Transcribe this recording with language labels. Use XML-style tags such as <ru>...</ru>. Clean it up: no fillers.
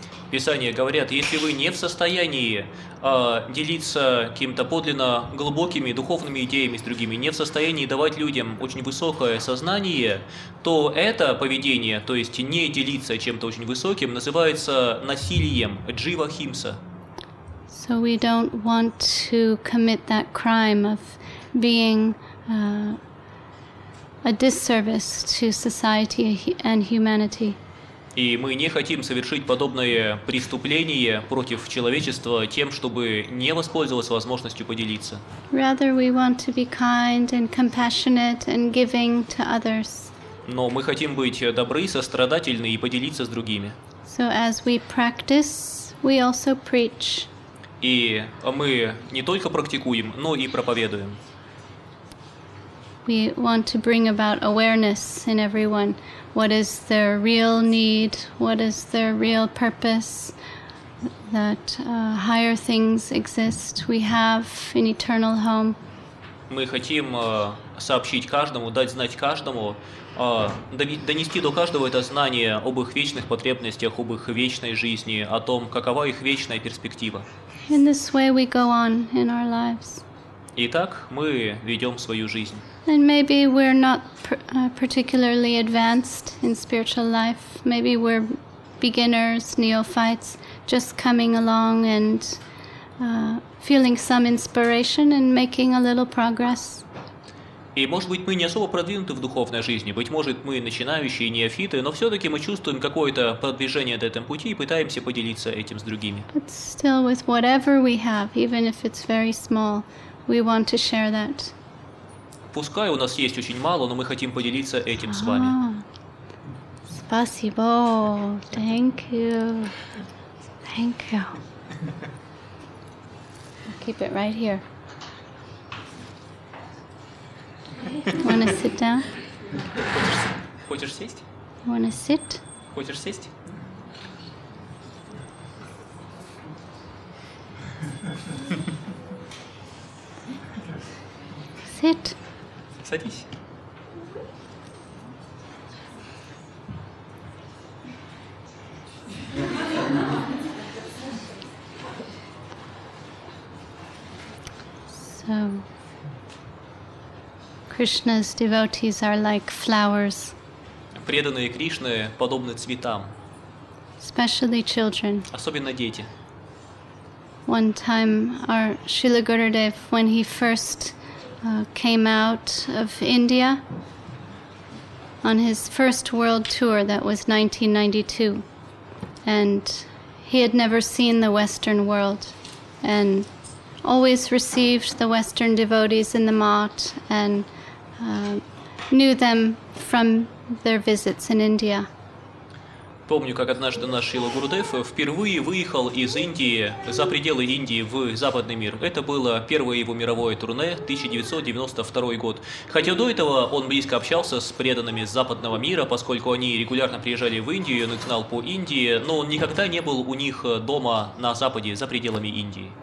<ru>Писания говорят, если вы не в состоянии делиться каким-то подлинно глубокими духовными идеями с другими, не в состоянии давать людям очень высокое сознание, то это поведение, то есть не делиться чем-то очень высоким, называется насилием, jiva himsa.</ru> <en>So we don't want to commit that crime of being a disservice to society and humanity.</en> <ru>И мы не хотим совершить подобное преступление против человечества тем, чтобы не воспользоваться возможностью поделиться.</ru> <en>Rather, we want to be kind and compassionate and giving to others.</en> <ru>Но мы хотим быть добры, сострадательны и поделиться с другими.</ru> <en>So as we practice, we also preach.</en> <ru>И мы не только практикуем, но и проповедуем.</ru> <en>We want to bring about awareness in everyone. What is their real need? What is their real purpose? That higher things exist. We have an eternal home.</en> <ru>Мы хотим сообщить каждому, дать знать каждому, донести до каждого это знание об их вечных потребностях, об их вечной жизни, о том, какова их вечная перспектива.</ru> <en>In this way we go on in our lives.</en> <ru>Итак, мы ведем свою жизнь.</ru> <en>And maybe we're not particularly advanced in spiritual life. Maybe we're beginners, neophytes, just coming along and feeling some inspiration and making a little progress.</en> <ru>И, может быть, мы не особо продвинуты в духовной жизни. Быть может, мы начинающие неофиты, но все-таки мы чувствуем какое-то продвижение на этом пути и пытаемся поделиться этим с другими.</ru> <en>But still with whatever we have, even if it's very small, we want to share that.</en> <ru>Пускай у нас есть очень мало, но мы хотим поделиться этим с вами. Спасибо.</ru> <en>Thank you. Thank you. I'll keep it right here. Want to sit down?</en> <ru>Хочешь сесть?</ru> <en>Want to sit?</en> <ru>Хочешь сесть?</ru> <en>Sit.</en> <ru>Садись.</ru> <en>So, Krishna's devotees are like flowers.</en> <ru>Преданные Кришны подобны цветам.</ru> <en>Especially children.</en> <ru>Особенно дети.</ru> <en>One time, our Srila Gurudev, when he first came out of India. on his first world tour, that was 1992. And he had never seen the Western world and always received the Western devotees in the Mott and knew them from their visits in India.</en> <ru>Помню, как однажды наш Шрила Гурудев впервые выехал из Индии, за пределы Индии, в западный мир. Это было первое его мировое турне, 1992 год. Хотя до этого он близко общался с преданными западного мира, поскольку они регулярно приезжали в Индию, он их знал по Индии, но он никогда не был у них дома на западе, за пределами Индии.</ru>